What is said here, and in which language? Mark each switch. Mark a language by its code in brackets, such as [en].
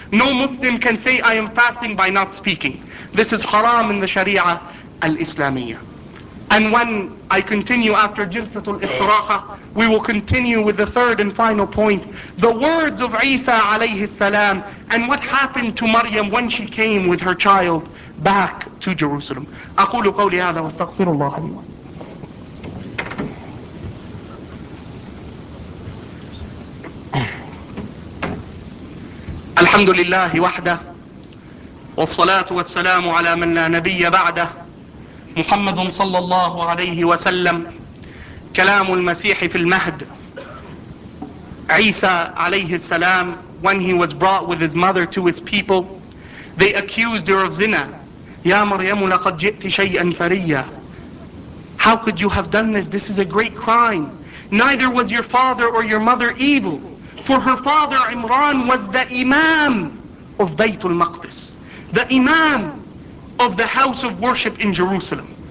[en] No Muslim can say I am fasting by not speaking. This is haram in the Sharia al-Islamiyya. And when I continue after Jilsatul Israha, we will continue with the third and final point, the words of Isa alayhi salam, and what happened to Maryam when she came with her child back to Jerusalem. [ar] أقول قولي هذا واستغفر الله لي. الحمد لله وحده, والصلاة والسلام على من لا نبي بعده, محمد صلى الله عليه وسلم, كلام المسيح في المهد. عيسى عليه السلام, [en] when he was brought with his mother to his people, they accused her of zina. [ar] يا مريم لقد جئت شيئا فريا, [en] how could you have done this? This is a great crime. Neither was your father or your mother evil, for her father Imran was the imam of Bayt al-Maqdis, the imam of the house of worship in Jerusalem.